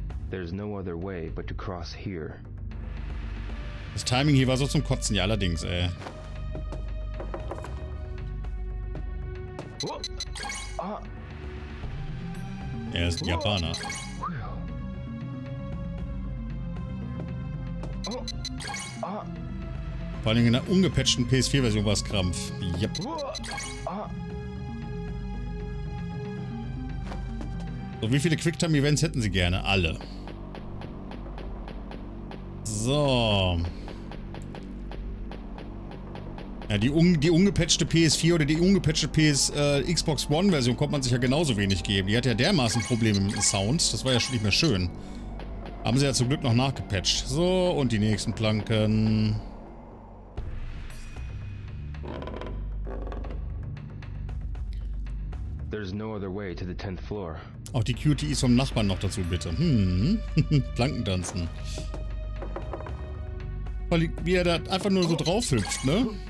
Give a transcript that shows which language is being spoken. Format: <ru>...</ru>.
<en>There's no other way but to cross here.</en> <de>Das Timing hier war so zum Kotzen, ja allerdings, ey. Er ist Japaner. Vor allem in der ungepatchten PS4-Version war es Krampf. Yep. So, wie viele Quicktime-Events hätten sie gerne? Alle. So. Ja, die ungepatchte PS4 oder die ungepatchte Xbox One-Version konnte man sich ja genauso wenig geben. Die hat ja dermaßen Probleme mit dem Sound. Das war ja schon nicht mehr schön. Haben sie ja zum Glück noch nachgepatcht. So, und die nächsten Planken.</de> <en>There's no other way to the 10th floor.</en> <de>Auch die QTEs vom Nachbarn noch dazu, bitte. Planken tanzen. Weil wie er da einfach nur so drauf hüpft, ne?</de>